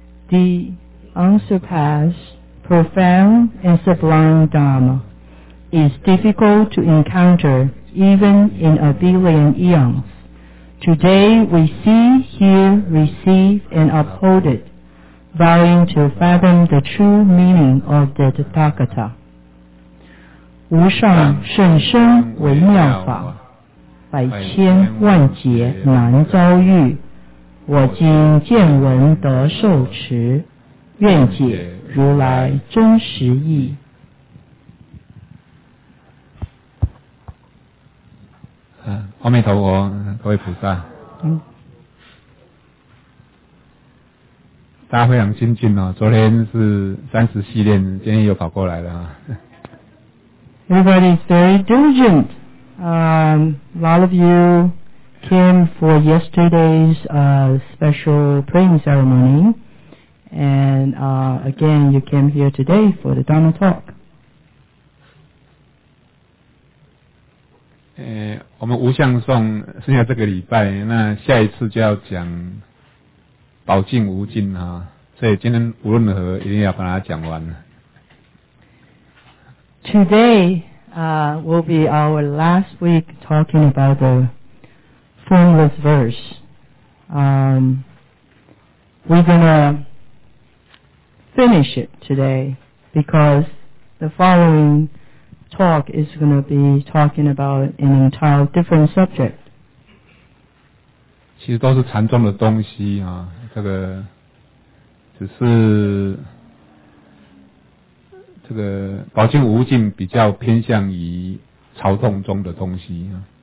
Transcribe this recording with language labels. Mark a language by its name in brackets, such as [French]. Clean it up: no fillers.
[English] The unsurpassed, profound, and sublime Dharma is difficult to encounter even in a billion eons. Today we see, hear, receive, and uphold it, vowing to fathom the true meaning of the Tathagata. [Chinese] 无上甚深微妙法，百千万劫难遭遇。我今见闻得受持，愿解如来真实意。阿弥陀佛，各位菩萨，大家非常精进哦。昨天是三十系列，今天又跑过来了。 [English] Everybody is very diligent. A lot of you came for yesterday's special praying ceremony, and again, you came here today for the Dharma talk. [Chinese] 我们无相颂剩下这个礼拜，那下一次就要讲宝镜无尽啊，所以今天无论如何一定要把它讲完。 [English] Today, will be our last week talking about the formless verse. We're gonna finish it today because the following talk is going to be talking about an entire different subject. [Chinese] 其实都是禅宗的东西啊，这个只是这个宝镜无尽比较偏向于朝洞中的东西啊。